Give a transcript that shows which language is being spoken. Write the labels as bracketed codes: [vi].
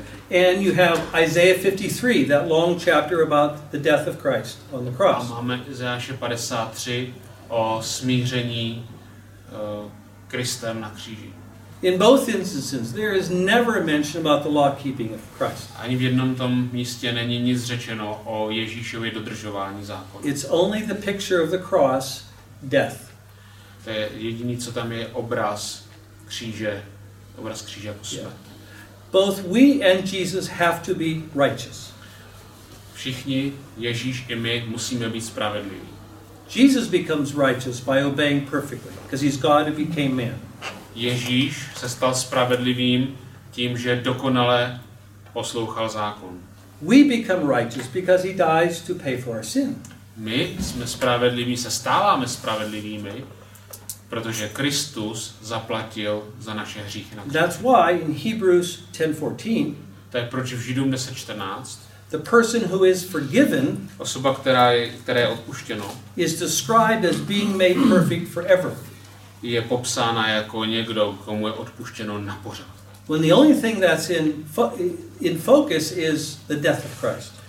[en] And you have Isaiah 53, that long chapter about the death of Christ on the cross. [cs] A máme Izajáše 53 o smíření Kristem na kříži. [en] In both instances, there is never a mention about the law keeping of Christ. [cs] Ani v jednom tom místě není nic řečeno o Ježíšově dodržování zákona. [en] It's only the picture of the cross, death. [cs] To je jediný, co tam je, obraz kříže, obraz kříže jako smrt. [en] Yeah. Both we and Jesus have to be righteous. [cs] Všichni, Ježíš i my, musíme být spravedliví. [en] Jesus becomes righteous by obeying perfectly, because he's God who became man. [cs] Ježíš se stal spravedlivým tím, že dokonale poslouchal zákon. [en] We become righteous because he dies to pay for our sin. [cs] My jsme spravedliví, se stáváme spravedlivými, protože Kristus zaplatil za naše hříchy na kříži. [en] That's why in Hebrews 10:14, [cs] to je proč v Židům 10:14, [en] the person who is forgiven, [cs] osoba, která je odpuštěno, [en] is described as being made perfect forever. [cs] Je popsána jako někdo, komu je odpuštěno na pořád. [en] When the only thing that's in focus is the death of Christ.